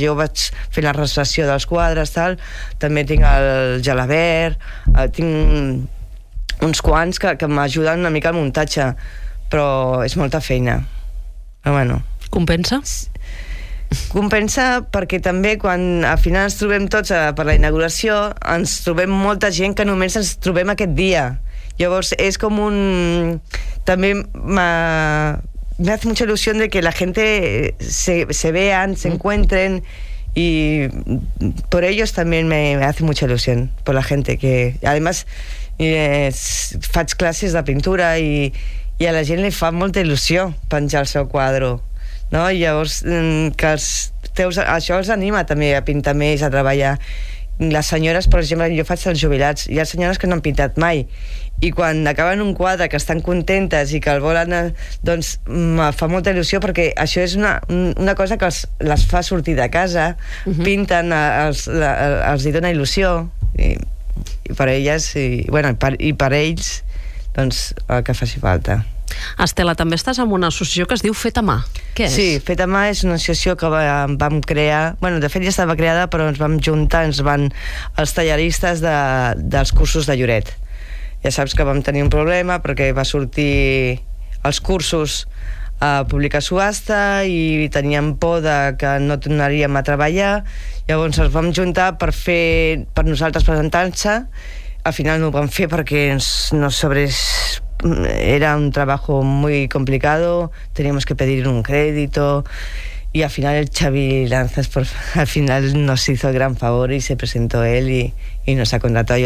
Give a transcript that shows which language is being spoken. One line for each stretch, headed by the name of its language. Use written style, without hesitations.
Catalan: Jo vaig fent la recessió dels quadres, tal. També tinc el Gelabert, tinc uns quants que m'ajuden una mica al muntatge, però és molta feina. Però bueno, compensa? Compensa, perquè també quan al final ens trobem tots per la inauguració, ens trobem molta gent que només ens trobem aquest dia. Llavors és com un...
Spanish: també me hace mucha ilusión de que la gente se vean, se encuentren, y por ellos también me hace mucha ilusión, por la gente que... Además,
Catalan: faig classes de pintura i a la gent li fa molta il·lusió penjar el seu quadre, no? I llavors que els teus, això els anima també a pintar més, a treballar. Les senyores, per exemple, jo faig els jubilats, hi ha senyores que no han pintat mai, i quan acaben un quadre que estan contentes i que el volen, doncs me fa molta il·lusió, perquè això és una cosa que les fa sortir de casa, pinten, els hi dona il·lusió, i per elles, i per ells, doncs el que faci falta. Estela, també estàs amb una associació que es diu Fet a Mà. Què és? Sí, Fet a Mà és una associació que vam crear... Bueno, de fet ja estava creada, però ens vam juntar, ens van els talleristes dels cursos de Lloret. Ja saps que vam tenir un problema perquè va sortir els cursos a Pública Subhasta i teníem por de que no tornaríem a treballar. Llavors ens vam juntar per nosaltres presentar-se. Al final no ho vam fer perquè era
Spanish: un trabajo muy complicado, teníamos que pedir un crédito, y al final el Xavi Lanzas al final nos hizo el gran favor y se presentó él y nos ha contratado.